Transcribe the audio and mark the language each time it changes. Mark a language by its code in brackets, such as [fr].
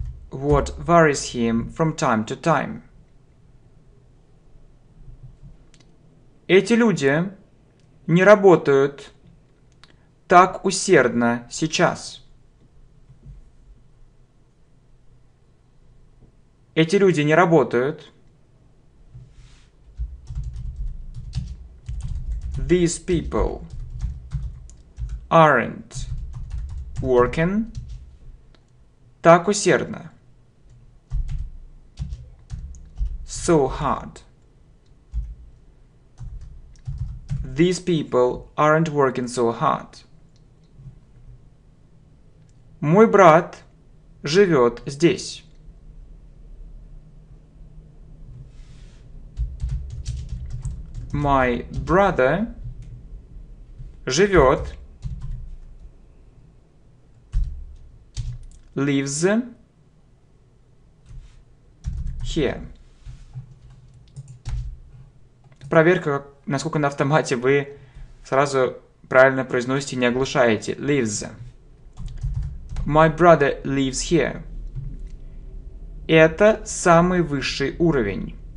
[en] What worries him from time to time? [ru] Эти люди не работают так усердно сейчас. Эти люди не работают. [en] These people aren't working [ru] так усердно. [en] So hard. These people aren't working so hard. [ru] Мой брат живет здесь. [en] My brother живет, lives here. [ru] Проверка, насколько на автомате вы сразу правильно произносите, не оглушаете. [en] Lives. My brother lives here. [ru] Это самый высший уровень.